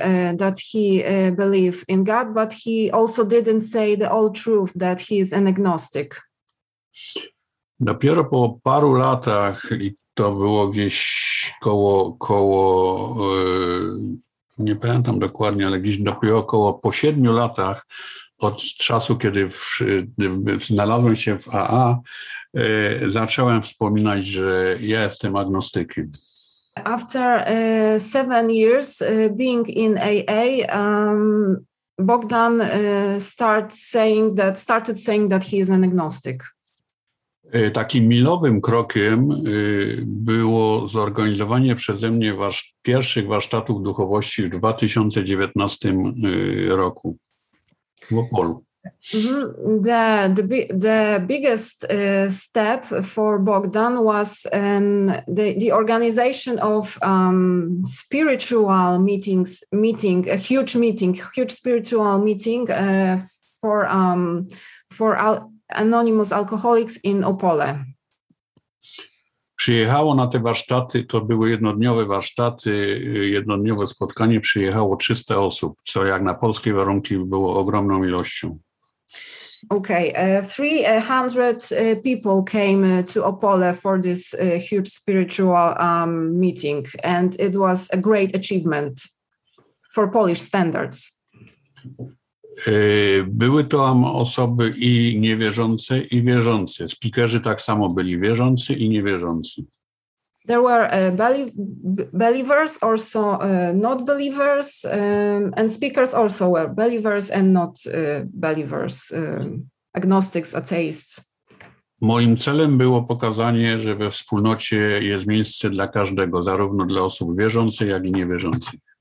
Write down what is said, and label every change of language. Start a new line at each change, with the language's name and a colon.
English: He didn't lie that he believe in God, but he also didn't say the whole truth that he is an agnostic.
Polish: Dopiero po paru latach, i to było gdzieś koło nie pamiętam dokładnie, ale gdzieś dopiero około po 7 latach od czasu, kiedy znalazłem się w AA, zacząłem wspominać, że ja jestem agnostykiem.
English: After 7 years being in AA, Bogdan started saying that he is an agnostic.
Polish: Takim milowym krokiem było zorganizowanie przeze mnie pierwszych warsztatów duchowości w 2019 roku w Opolu.
English: The biggest step for Bogdan was the organization of spiritual meetings, a huge spiritual meeting for anonymous alcoholics in Opole.
Polish: Przyjechało na te warsztaty, to były jednodniowe warsztaty, jednodniowe spotkanie, przyjechało 300 osób, co jak na polskie warunki było ogromną ilością.
English: Okay, 300 people came to Opole for this huge spiritual meeting, and it was a great achievement for Polish standards.
Polish: Były tam osoby i niewierzące, i wierzące. Speakerzy tak samo byli wierzący i niewierzący.
English: There were believers, also not believers, and speakers also were believers and not believers, agnostics, atheists.
Polish: Moim celem było pokazanie, że we wspólnocie jest miejsce dla każdego, zarówno dla osób wierzących, jak i niewierzących.